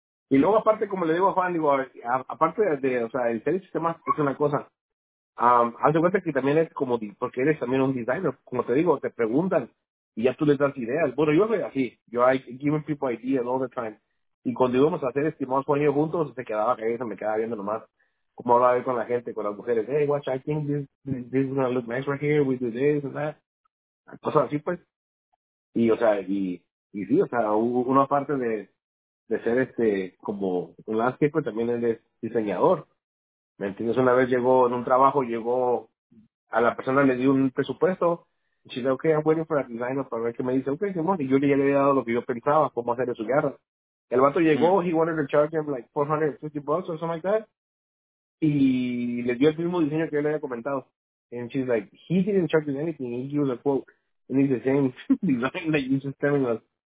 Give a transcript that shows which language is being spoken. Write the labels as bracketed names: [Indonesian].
[Spanish] Y luego, aparte, como le digo a Juan, digo, aparte de, o sea, el ser sistema es una cosa. Haz de cuenta que también es como, porque eres también un designer. Como te digo, te preguntan y ya tú les das ideas. Bueno, yo soy así. [English] Yo, I give people ideas all the time. [Spanish] Y cuando íbamos a hacer estimados con ellos juntos, se quedaba cabeza, me quedaba viendo nomás. Como hablaba con la gente, con las mujeres. [English] Hey, watch, I think this is gonna look nice right here. We do this and that. [Spanish] Cosas así, pues. Y, o sea, y sí, o sea, una parte de ser este, como un landscaper, también eres diseñador. ¿Me entiendes? Una vez llegó en un trabajo, llegó a la persona, le di un presupuesto. Y dice, okay, [English] I'm waiting for a designer [Spanish] para ver qué me dice. Okay, Simón. Y yo ya le había dado lo que yo pensaba, cómo hacer su guerra. El vato llegó, [English] he wanted to charge him like $450 or something like that. [Spanish] Y le dio el mismo diseño que yo le había comentado. [English] And she's like, he didn't charge him anything. He gave us a quote. And it's the same design that you just telling us.